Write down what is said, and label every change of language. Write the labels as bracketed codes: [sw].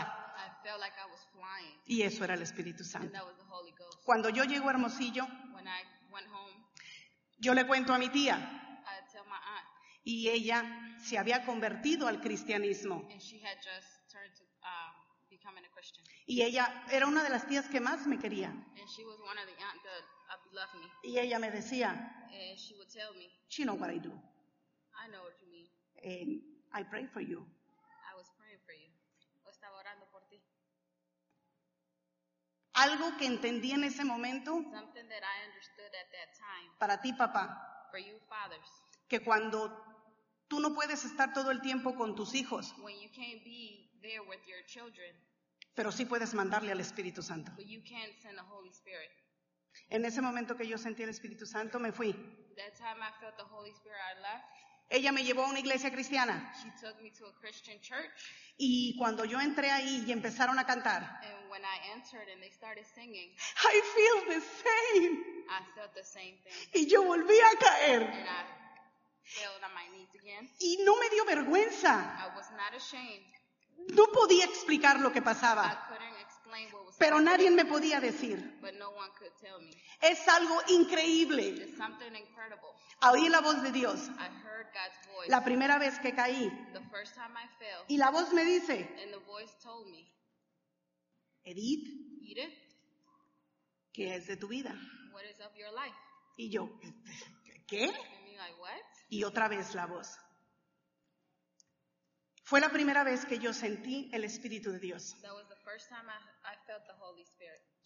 [en] I felt like I was flying. [es] Y eso era el Espíritu Santo. [en] And that was the Holy Ghost. [es] Cuando yo llego a Hermosillo. [en] When I went home. [es] Yo le cuento a mi tía. [en] I tell my aunt. [es] Y ella se había convertido al cristianismo. [en] And she had just turned to, becoming a Christian. [es] Y ella era una de las tías que más me quería. [en] And she was one of the aunts that loved me. [es] Y ella me decía. [en] And she would tell me. She know what I do. I know what you mean. And I pray for you. I was praying for you. [es] O estaba orando por ti. Algo que entendí en ese momento. [en] Something that I understood at that time. [es] Para ti, papá. [en] For you, fathers. [es] Que cuando tú no puedes estar todo el tiempo con tus hijos, [en] when you can't be there with your children, [es] pero sí puedes mandarle al Espíritu Santo. [en] But you can send the Holy Spirit. [es] En ese momento que yo sentí el Espíritu Santo, me fui. [en] That time I felt the Holy Spirit, I left. [es] Ella me llevó a una iglesia cristiana. [en] She took me to a Christian church. [es] Y cuando yo entré ahí y empezaron a cantar, [en] and when I entered and they started singing, I feel the same. I felt the same thing. [es] Y yo volví a caer. [en] And I fell on my knees again. [es] Y no me dio vergüenza. [en] I was not ashamed. [es] No podía explicar lo que pasaba. [en] I couldn't explain what was happening. [es] Pero nadie me podía decir. [en] But no one could tell me. [es] Es algo increíble. [en] It's something incredible. [es] Oí la voz de Dios. [en] I heard God's voice. [es] La primera vez que caí. [en] The first time I fell. [es] Y la voz me dice. And the voice told me. Edith. [en] Edith. [es] ¿Qué es de tu vida? [en] What is of your life? [es] Y yo, ¿qué? [en] And me like, what? [es] Y otra vez la voz. Fue la primera vez que yo sentí el Espíritu de Dios. [en] That was the first time I felt the Holy Spirit.